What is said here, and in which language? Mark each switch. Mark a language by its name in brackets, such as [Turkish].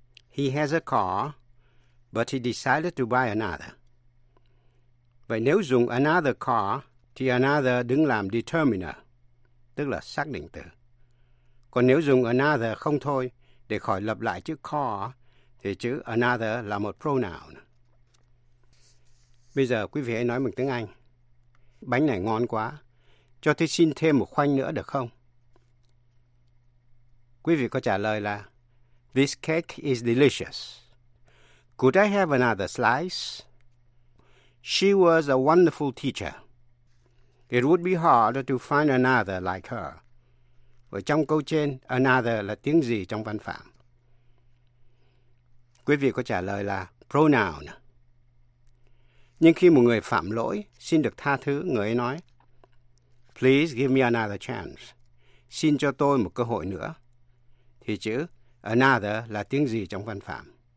[English] He has a car, but he decided to buy another. [Vietnamese] Vậy nếu dùng another car, thì another đứng làm determiner, tức là xác định từ. Còn nếu dùng another không thôi, để khỏi lặp lại chữ car, thì chữ another là một pronoun. Bây giờ quý vị hãy nói bằng tiếng Anh. Bánh này ngon quá. Cho tôi xin thêm một khoanh nữa được không? Quý vị có trả lời là [English] this cake is delicious. Could I have another slice? She was a wonderful teacher. It would be hard to find another like her. [Vietnamese] Ở trong câu trên, another là tiếng gì trong văn phạm? Quý vị có trả lời là pronoun. Nhưng khi một người phạm lỗi, xin được tha thứ, người ấy nói [English] please give me another chance. [Vietnamese] Xin cho tôi một cơ hội nữa. Thì chữ another là tiếng gì trong văn phạm?